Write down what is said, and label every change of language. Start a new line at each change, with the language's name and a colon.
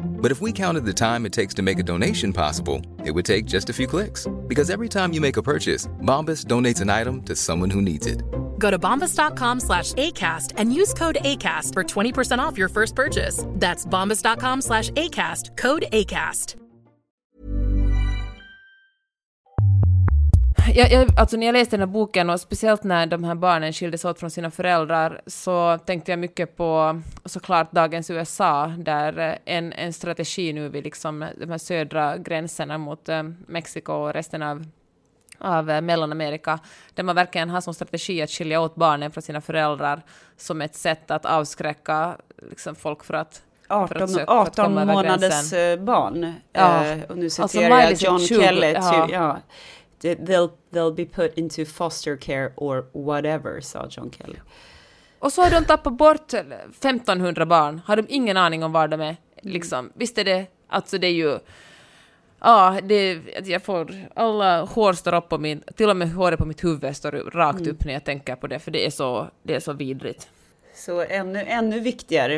English: But if we counted the time it takes to make a donation possible, it would take just a few clicks. Because every time you make a purchase, Bombas donates an item to someone who needs it. Go to bombas.com/ACAST and use code ACAST for 20% off your first purchase. That's bombas.com/ACAST, code ACAST.
Swedish: Jag, när jag läste den här boken, och speciellt när de här barnen skildes åt från sina föräldrar, så tänkte jag mycket på såklart dagens USA, där en strategi nu vid liksom de här södra gränserna mot Mexiko och resten av av Mellanamerika, där man verkligen har som strategi att skilja åt barnen från sina föräldrar som ett sätt att avskräcka liksom folk för att 18 månaders barn. Ja. Och nu citerar alltså, jag John Kelly. Ja. Ja.
English: They'll be put into foster care or whatever,
Swedish: sa John Kelly. Och så har de tappat bort 1500 barn. Har de ingen aning om var de är? Liksom. Visst är det? Alltså det är ju... Ja, det, jag får... Alla hår står upp på min... Till och med håret på mitt huvud står rakt upp när jag tänker på det. För det är så vidrigt. Så ännu viktigare.